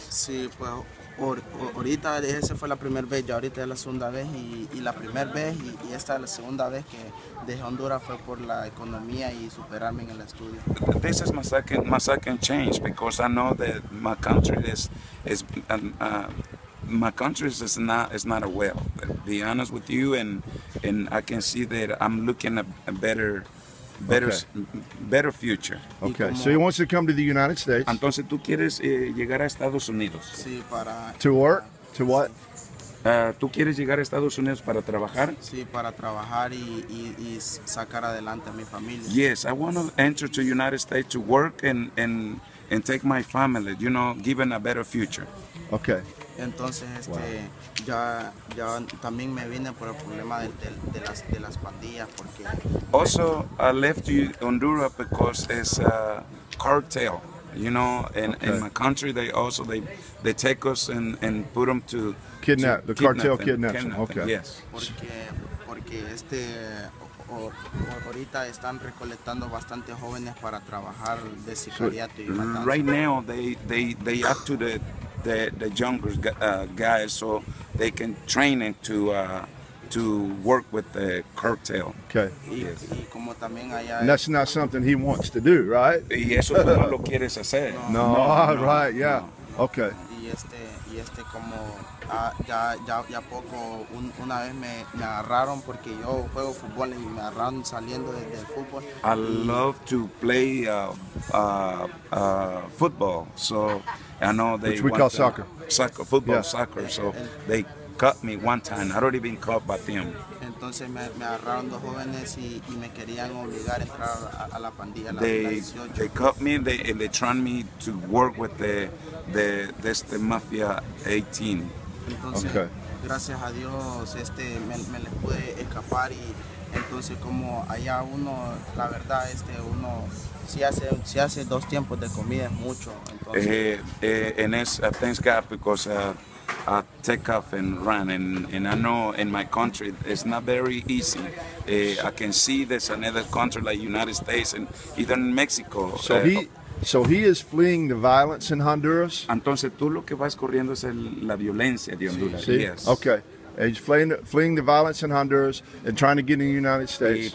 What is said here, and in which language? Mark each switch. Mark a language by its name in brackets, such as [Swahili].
[Spanish] Sí, pues ahorita esa fue la primera vez. Ya ahorita es la segunda vez y la primera vez y esta es la segunda vez que dejé Honduras fue por la economía y superarme en el estudio. [English] This is my second change because I know that my country is not a well. Be honest with you and I can see that I'm looking at a better okay. better future. Okay, so he wants to come to the United States. [Spanish] Entonces tú quieres llegar a Estados Unidos. Sí, para [English] to work. To what? [Spanish] Tú quieres llegar a Estados Unidos para trabajar. Sí, para trabajar y sacar adelante a mi familia. [English] Yes, I want to enter to United States to work and take my family, you know, given a better future. Okay. [Spanish] Entonces ya también me vine por el problema de las pandillas porque [English] also I left you Honduras because it's a cartel, you know, and okay. in my country they take us and put them to kidnap the cartel kidnaps them. Okay. Yes. [Spanish] Porque ahorita están recolectando bastantes jóvenes para trabajar de sicariato y matanza. [English] Right now they up to the younger guys so they can train it to work with the cartel. Okay. Yes. And that's not something he wants to do, right? [Spanish] Y eso tú no lo quieres hacer. No. Okay. Y este como ya poco una vez me agarraron porque yo juego fútbol y me agarraron saliendo del fútbol. [English] I love to play football, so I know they which we call soccer. Soccer, football, yeah. Soccer. So they cut me one time. I'd already been caught by them. [Spanish] Entonces me agarraron dos jóvenes y me querían obligar a entrar a la pandilla. [English] They cut me and they trained me to work with the mafia 18. [Spanish] Entonces, okay. Gracias a Dios me les pude escapar y entonces como allá uno la verdad uno si hace dos tiempos de comida es mucho. Entonces, [English] and thanks God because I take off and run and I know in my country it's not very easy. I can see there's another country like United States and even Mexico. So he is fleeing the violence in Honduras. [Spanish] Entonces tú lo que vas corriendo es la violencia de Honduras. Sí. [English] Yes. Okay. And he's fleeing the violence in Honduras and trying to get in the United States.